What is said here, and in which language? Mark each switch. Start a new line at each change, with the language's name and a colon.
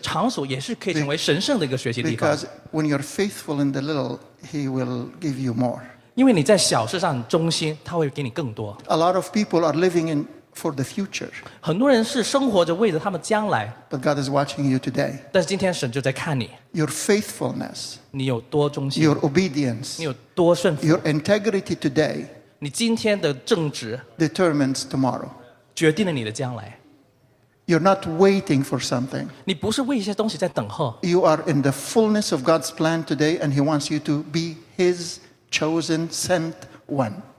Chinese: 甚至你读大学，你的学习的场所也是可以成为神圣的一个学习地方。
English: Because when you're faithful in the little, He will give you more.
Chinese: 因为你在小事上忠心，他会给你更多。
English: A lot of people are living in for the future.
Chinese: 很多人是生活着为着他们将来。
English: But God is watching you today.
Chinese: 但是今天神就在看你。
English: Your faithfulness.
Chinese: 你有多忠心。
English: Your obedience.
Chinese: 你有多顺服。
English: Your integrity today.
Chinese: 你今天的正直。
English: Determines tomorrow.
Chinese: 决定了你的将来。
English: You're not waiting for something.
Chinese: 你不是为一些东西在等候。
English: You are in the fullness of God's plan today, and He wants you to be His chosen sent one.